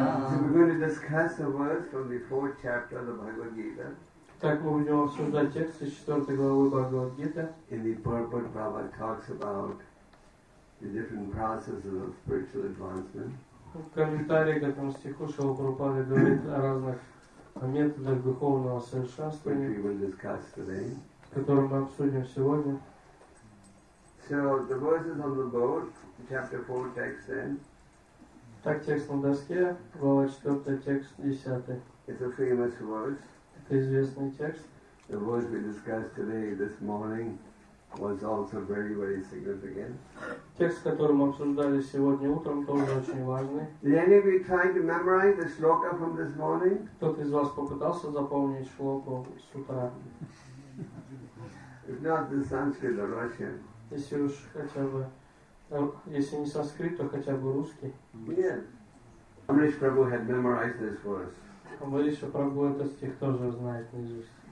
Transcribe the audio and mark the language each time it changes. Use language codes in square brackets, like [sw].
[en] So we're going to discuss a verse from the fourth chapter of the Bhagavad Gita. [ru] Так мы будем обсуждать тексты 4 главы Бхагавад Гита. [en] In the purport, Prabhupada talks about the different processes of spiritual advancement. [ru] В комментарии к этому стиху Шрила Прабхупада говорит о разных методах духовного совершенствования, [en] which we will discuss today, [ru] которые мы обсудим сегодня. [en] So the verses on the board, chapter 4 text then. [ru] Так текст на доске, глава 4, текст 10. [en] It's a famous verse. [ru] Известный текст. [en] The verse we discussed today, this morning, was also very, very significant. [ru] Текст, который мы обсуждали сегодня утром, тоже очень важный. [en] Did any of you try to memorize the shloka from this morning? [ru] Кто-то из вас попытался запомнить шлоку с утра? [en] If not the Sanskrit, the Russian. [ru] Если уж хотя бы, если не санскрит, то хотя бы русский. [en] Yeah. Amrish Prabhu had memorized this verse. [ru] Амриша Прабху этот стих тоже знает наизусть.